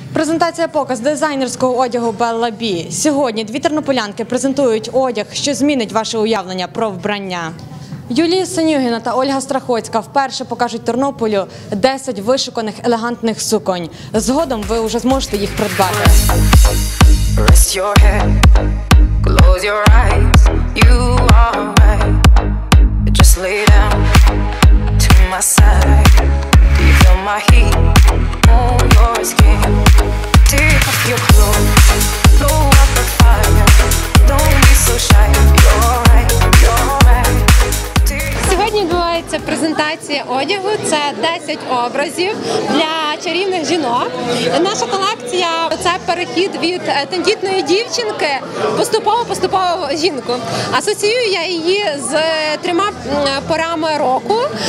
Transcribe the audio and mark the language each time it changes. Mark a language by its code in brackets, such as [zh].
[uk] Презентація показ дизайнерського одягу Bella B. Сьогодні дві тернополянки презентують одяг, що змінить ваше уявлення про вбрання. Юлія Синюгіна та Ольга Страхоцька вперше покажуть Тернополю 10 вишуканих елегантних суконь. Згодом ви вже зможете їх придбати. [en] Rest your head, close your eyes, you are right. Just lay down to my side. Do you feel my heat on your skin? Take off your clothes, blow up the fire. Don't be so shy, you're right, you're right. [uk] Сьогодні відбувається презентація одягу. Це 10 образів для чарівних жінок. Наша колекція – це перехід від тендітної дівчинки поступово-поступово в жінку. Асоціюю я її з трьома порами року.